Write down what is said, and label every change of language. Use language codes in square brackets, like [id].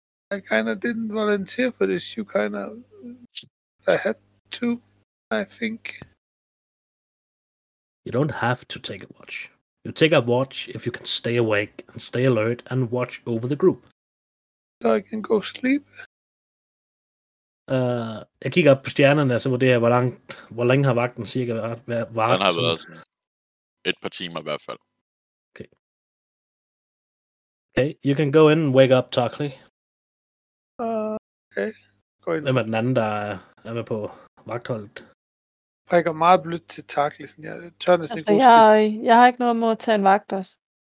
[en] I kind of didn't volunteer for this. You kind of... I had to, I think. You don't have to take a watch. You take a watch if you can stay awake and stay alert and watch over the group. So I can go sleep? [da] Jeg kigger op på stjernerne, og så vurderer jeg, hvor længe har vagten cirka været. Den har været et par timer i hvert fald. [en] Okay, you can go in and wake up, Tarkley. [da] Okay. Gå ind. Hvem er den anden, der er med på vagtholdet? Jeg går meget blødt til Tarkley. Jeg tør næsten ikke huske. Jeg har ikke noget mod at tage en vagt også.